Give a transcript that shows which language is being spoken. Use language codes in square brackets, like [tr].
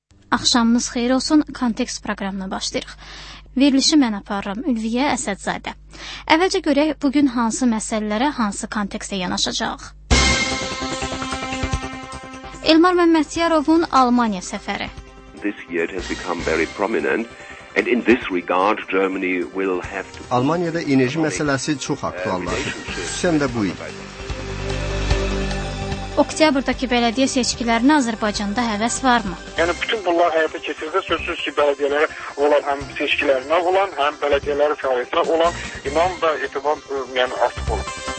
[az] Axşamınız xeyir olsun, kontekst proqramına başlayırıq. Verilişi mən aparıram, Ülviyə Əsədzadə. Əvvəlcə görək, bugün hansı məsələlərə, hansı kontekstə yanaşacaq? Elmar Məmmədiyarovun Almaniya səfəri. [en] This year has become very prominent. And in this regard Germany will have to [az] Almaniyada enerji məsələsi çox aktuallaşır. Xüsusən də bu il. Oktyabrdakı bələdiyyə seçkilərinə Azərbaycanda həvəs varmı? Yəni bütün bunlar həyata keçirdə sözsüz ki, bələdiyyələrə olan həm seçkilərinə olan, həm bələdiyyələrin fəaliyyətinə olan inam və etibar yəni artıq olur.